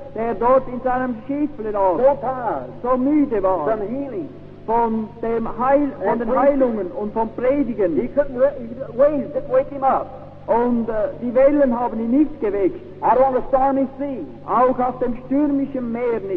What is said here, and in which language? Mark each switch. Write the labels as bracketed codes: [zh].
[de] Der dort in seinem Schiff lag. [en] So tired. [de] So müde war. [en] From healing. [de] Von dem Heil, von den Heilungen und vom Predigen. [en] He couldn't waves didn't wake him up. [de] Und die Wellen haben ihn nicht geweckt. [en] Out on the stormy sea. [de] Auch auf dem stürmischen Meer nicht.